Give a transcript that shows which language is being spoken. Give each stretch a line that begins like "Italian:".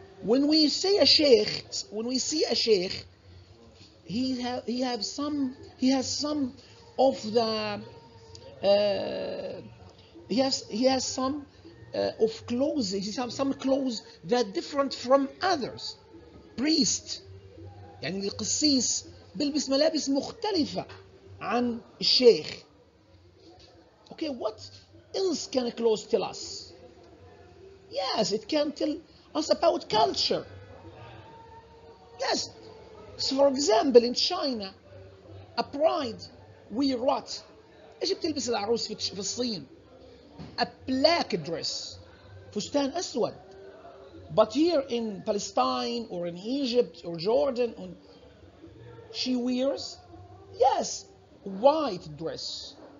English: When we see a sheikh, he has some clothes that are different from others.
Arabic: Priest يعني القسيس بيلبس ملابس مختلفة عن الشيخ.
English: Okay, what else can clothes tell us? Yes, it can tell us about culture. Yes, so for example, in China, a bride wear what?
Arabic: إيش بتلبس العروس في الصين؟
English: A black dress.
Arabic: فستان أسود.
English: But here in Palestine or in Egypt or Jordan, she wears, yes, white dress.